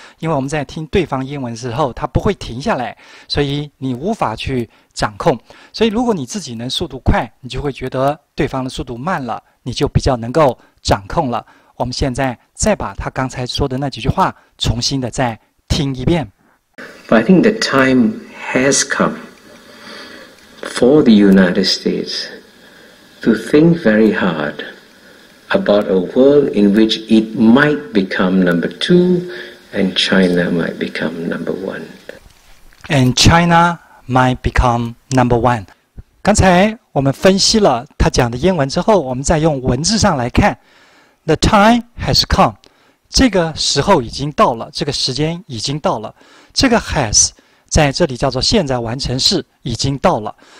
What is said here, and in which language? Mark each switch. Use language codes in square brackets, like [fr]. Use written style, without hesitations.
[zh] 因为我们在听对方英文的时候他不会停下来，所以你无法去掌控，所以如果你自己能速度快，你就会觉得对方的速度慢了，你就比较能够掌控了。我们现在再把他刚才说的那几句话重新的再听一遍。 [en] But I think the time has come for the United States to think very hard about a world in which it might become number two and China might become number one. And China might become number one. [zh] 刚才我们分析了他讲的英文之后，我们再用文字上来看。 The time has come，这个时候已经到了，这个时间已经到了。这个 has 在这里叫做现在完成式，已经到了。